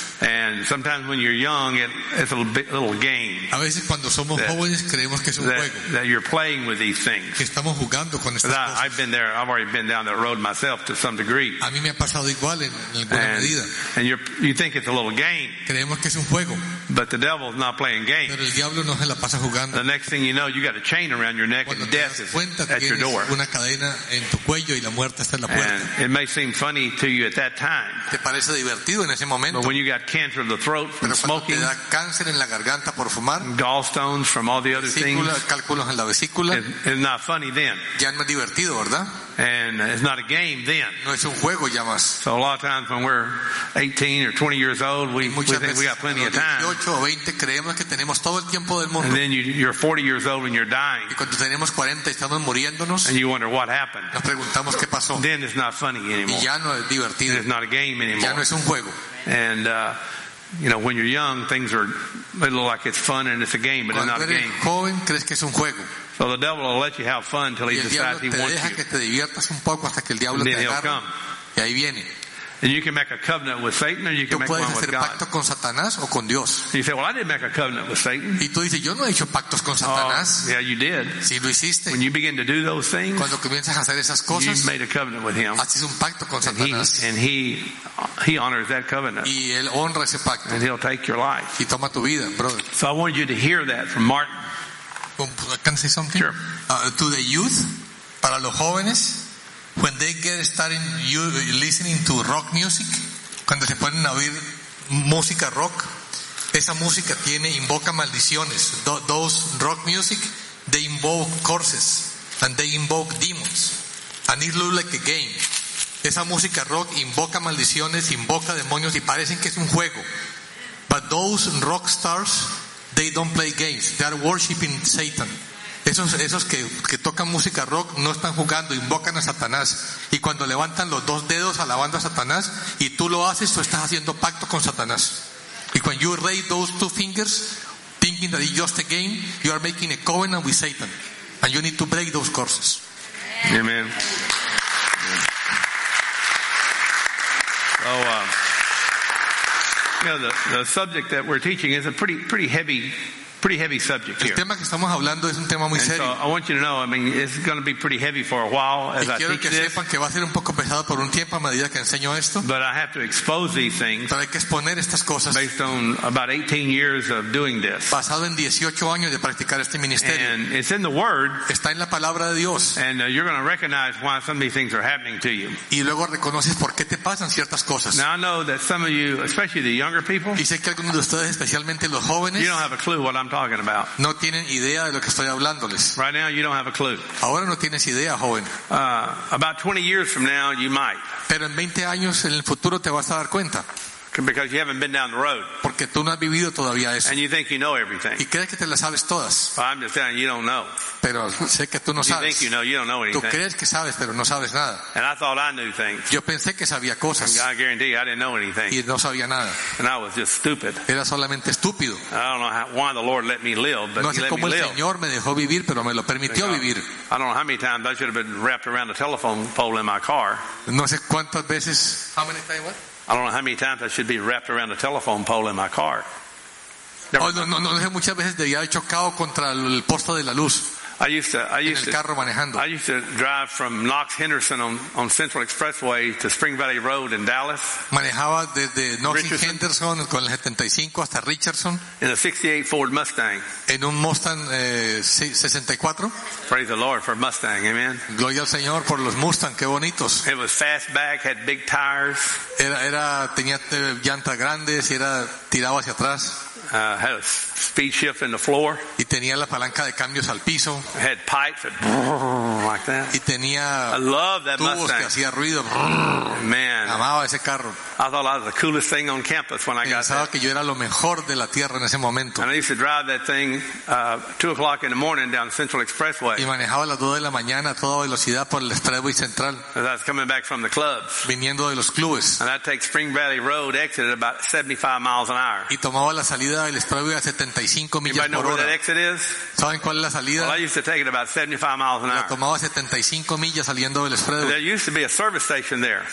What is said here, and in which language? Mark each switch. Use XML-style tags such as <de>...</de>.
<en>And sometimes when you're young, it's a little game.</en> <es>A veces cuando somos jóvenes creemos que es un juego.</es> <en>That you're playing with these things.</en> <es>Que estamos jugando con estas cosas.</es> <en>I've been there. I've already been down that road myself to some degree.</en> <es>A mí me ha pasado igual en alguna medida.</es> <en>And you think it's a little game.</en> <es>Creemos que es un juego.</es> <en>But the devil's not playing games.</en> <es>Pero el diablo no se la pasa jugando.</es> <en>The next thing you know, you got a chain around your neck and death is</en> <es>cuenta,</es> <en>at your door.</en> <es>Una cadena en tu cuello y la muerte está en la puerta.</es> <en>And it may seem funny to you at that time.</en> <es>¿Te parece divertido en ese momento?</es> <en>But when you got cancer of the throat from smoking,</en> <es>te da cáncer en la garganta por fumar,</es> <en>gallstones from all the other things,</en> <es>cálculos en la vesícula,</es> <en>it's not funny then.</en> <es>Ya no es divertido, ¿verdad?</es> <en>And it's not a game then.</en> <es>No es un juego ya más.</es> <en>So a lot of times when we're 18 or 20 years old, we think we got plenty of time.</en> <es>18 o 20 creemos que tenemos todo el tiempo del mundo.</es> <en>And then you're 40 years old and you're dying.</en> <es>Y cuando tenemos 40 estamos muriéndonos.</es> <en>And you wonder what happened.</en> <es>Nos preguntamos qué pasó.</es> <en>Then it's not funny anymore.</en> <es>Y ya no es divertido.</es> <en>And it's not a game anymore.</en> <es>Ya no es un juego.</es> <en>And you know, when you're young, things are little like it's fun and it's a game, but</en> <es>cuando</es> <en>it's not a game.</en> <es>Cuando eres joven crees que es un juego.</es> <en>So the devil will let you have fun until he decides he wants you.</en> <es>Que te diviertas un poco hasta que el diablo</es> <en>and</en> <es>te</es> <en>then</en> <es>agarre,</es> <en>he'll come.</en> <es>Y ahí viene.</es> <en>And you can make a covenant with Satan, or you can</en> <es>tú puedes</es> <en>make one</en> <es>hacer</es> <en>with God.</en> <es>Pacto con Satanás o con Dios.</es> <en>You say, "Well, I didn't make a covenant with Satan."</en> <es>Y tú dices, "Yo no he hecho pactos con Satanás."</es> <en>Oh, yeah, you did.</en> <es>Sí, lo hiciste.</es> <en>When you begin to do those things,</en> <es>cuando comienzas a hacer esas cosas,</es> <en>you made a covenant with him.</en> <es>Haces un pacto con</es> <en>and</en> <es>Satanás.</es> <en>He honors that covenant.</en> <es>Y él honra ese pacto.</es> <en>And he'll take your life.</en> <es>Y toma tu vida, brother.</es> <en>So I want you to hear that from Martin. Can I say something? Sure. To the youth,</en> <es>para los jóvenes,</es> <en>when they get starting listening to rock music,</en> <es>cuando se ponen a oír música rock, esa música tiene invoca maldiciones.</es> <en>Those rock music, they invoke curses and they invoke demons, and it looks like a game.</en> <es>Esa música rock invoca maldiciones, invoca demonios y parecen que es un juego.</es> <en>But those rock stars, they don't play games. They are worshiping Satan.</en> <es>Esos que tocan música rock no están jugando, invocan a Satanás. Y cuando levantan los dos dedos alabando a Satanás, y tú lo haces, tú estás haciendo pacto con Satanás. Y cuando</es> <en>you raise those two fingers, thinking that it's just a game, you are making a covenant with Satan. And you need to break those curses. Amen. Oh, the subject that we're teaching is a pretty heavy subject here.</en> <es>El tema que estamos hablando es un tema muy serio.</es> <en>So I want you to know, I mean, it's going to be pretty heavy for a while as I teach this.</en> <es>Quiero que sepan que va a ser un poco pesado por un tiempo a medida que enseño esto.</es> <en>But I have to expose these things.</en> <es>Pero hay que exponer estas cosas.</es> <en>Based on about 18 years of doing this.</en> <es>Basado en 18 años de practicar este ministerio.</es> <en>And it's in the Word.</en> <es>Está en la palabra de Dios.</es> <en>And you're going to recognize why some of these things are happening to you.</en> <es>Y luego reconoces por qué te pasan ciertas cosas.</es> <en>Now I know that some of you, especially the younger people,</en> <es>y sé que algunos de ustedes, especialmente los jóvenes,</es> <en>you don't have a clue what I'm talking about.</en> <es>No tienen idea de lo que estoy hablándoles.</es> <en>Right now you don't have a clue.</en> <es>Ahora no tienes idea, joven.</es> <en>About 20 years from now you might.</en> <es>Pero en 20 años en el futuro te vas a dar cuenta.</es> <en>Because you haven't been down the road.</en> <es>Porque tú no has vivido todavía eso.</es> <en>And you think you know everything.</en> <es>Y crees que te las sabes todas.</es> <en>But I'm just saying you don't know.</en> <es>Pero sé que tú no sabes.</es> <en>You think you know, you don't know anything.</en> <es>Tú crees que sabes, pero no sabes nada.</es> <en>And I thought I knew things.</en> <es>Yo pensé que sabía cosas.</es> <en>And I guarantee you, I didn't know anything.</en> <es>Y no sabía nada.</es> <en>And I was just stupid.</en> <es>Era solamente estúpido.</es> <en>I don't know why the Lord let me live, but</en> <es>no sé cómo el Señor me dejó vivir, pero me lo permitió vivir.</es> <en>I don't know how many times I should have been wrapped around a telephone pole in my car.</en> <es>No sé cuántas veces.</es> <en>How many times what? I don't know how many times I should be wrapped around a telephone pole in my car.</en> <es>No sé muchas veces debía haber chocado contra el poste de la luz.</es> <en>I used to drive from Knox Henderson on Central Expressway to Spring Valley Road in Dallas.</en> <es>Manejaba desde Knox Henderson con el 75 hasta Richardson.</es> <en>In a 68 Ford Mustang.</en> <es>En un Mustang 64.</es> <en>Praise the Lord for Mustang, amen.</en> <es>Gloria al Señor por los Mustang, qué bonitos.</es> <en>It was fastback, had big tires.</en> <es>Era tenía llantas grandes y era tirado hacia atrás.</es> <en>had a speed shift in the floor.</en> <es>Y tenía la palanca de cambios al piso.</es> <en>I had pipes that like that.</en> <es>Y tenía</es> <en>I love that</en> <es>tubos</es> <en>Mustang.</en> <es>Que hacía ruido.</es> <en>Man,</en> <es>amaba ese carro.</es> <en>I thought I was the coolest thing on campus when</en> <es>Pensaba</es> <en>I got that.</en> <es>Pensaba que yo era lo mejor de la tierra en ese momento.</es> <en>And I used to drive that thing 2 o'clock in the morning down Central Expressway.</en> <es>Y manejaba a las 2 de la mañana a toda velocidad por el Expressway Central.</es> <en>As I was coming back from the clubs.</en> <es>Viniendo de los clubes.</es> <en>And I'd take Spring Valley Road exit at about 75 miles an hour.</en> <es>Y tomaba la salida del Expressway a 75 millas</es> <en>Anybody</en> <es>por hora.</es> <en>Where that exit is?</en> <es>¿Saben cuál es la salida?</es> <en>Well, I used to take it about 75 miles an hour.</en> <es>La tomaba 75 millas saliendo del Expressway.</es> <en>There used to be a service station there.</en>